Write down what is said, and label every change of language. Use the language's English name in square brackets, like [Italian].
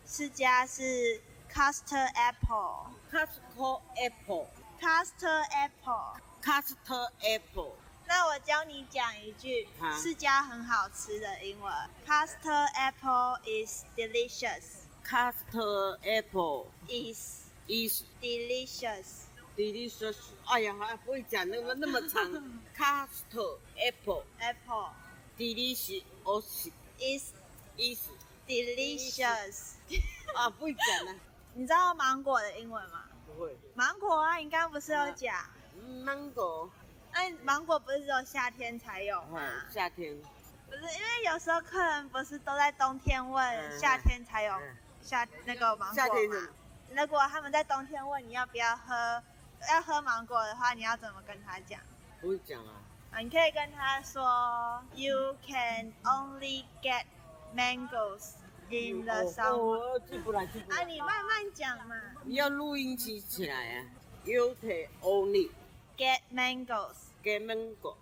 [Chinese] 释迦是 custard apple, [English] custard apple, custard apple, custard apple。 [Chinese] 那我教你讲一句释迦很好吃的英文。 [English] Custard apple is delicious. Custard apple is delicious. [Chinese] Delicious. 哎呀，还不会讲那么长。 [English] Custard apple delicious is delicious. [Chinese] 啊，不会讲了。你知道芒果的英文吗？不会。芒果啊，你刚刚不是有讲？ [English] Mango。 [Chinese] 芒果不是只有夏天才有吗？夏天不是，因为有时候客人不是都在冬天问夏天才有那个芒果吗？夏天是如果他们在冬天问你要不要喝，要喝芒果的话，你要怎么跟他讲？不会讲啊。你可以跟他说 [English] You can only get mangoes in the summer。 [Chinese] 记不来、你慢慢讲嘛，要录音机起来啊。 [English] You can only Get mangoes. Get mango.